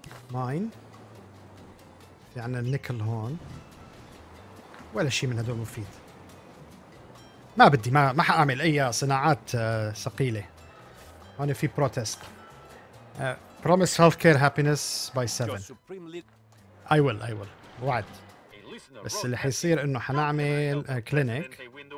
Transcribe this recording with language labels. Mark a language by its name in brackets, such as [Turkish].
[Arabic] ماين، في عنا النيكل هون، ولا شيء من هدول مفيد. ما بدي، ما حأعمل أي صناعات ثقيلة. هون في بروتست. [English] Promise healthcare happiness by 7. I will. [Arabic] وعد. بس اللي حيصير إنه حنعمل كلينيك.